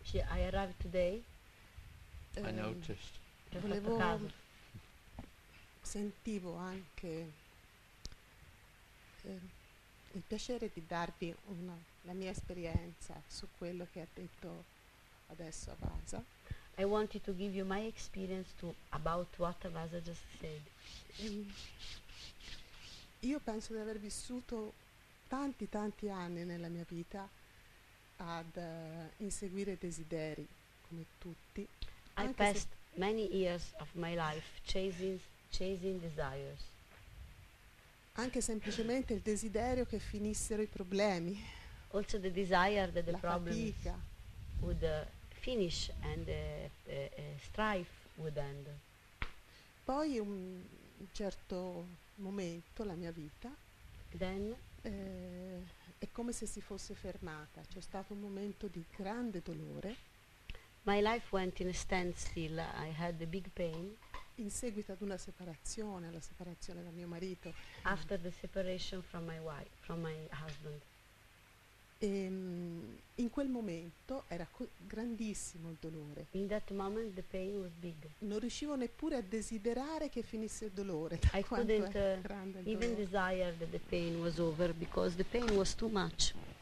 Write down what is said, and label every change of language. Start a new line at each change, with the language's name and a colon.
English: I arrived today. I noticed.
Italian: Volevo sentivo anche il piacere di darvi la mia esperienza su quello che ha detto adesso Avasa.
English: I wanted to give you my experience about what Avasa just said.
Italian: Io penso di aver vissuto tanti anni nella mia vita ad inseguire desideri come tutti.
English: I passed many years of my life chasing desires.
Italian: Anche semplicemente il desiderio che finissero i problemi.
English: Also the desire that the problems
Italian: fatica
English: would finish and the strife would end.
Italian: Poi un certo momento la mia vita.
English: Then
Italian: è come se si fosse fermata. C'è stato un momento di grande dolore.
English: My life went in a standstill. I had a big pain.
Italian: In seguito ad una separazione, alla separazione da mio marito.
English: After the separation from my wife, from my husband.
Italian: E, in quel momento era grandissimo il dolore.
English: In that moment the pain was big.
Italian: Non riuscivo neppure a desiderare che finisse il dolore.
English: I couldn't even desire that the pain was over because the pain was too much.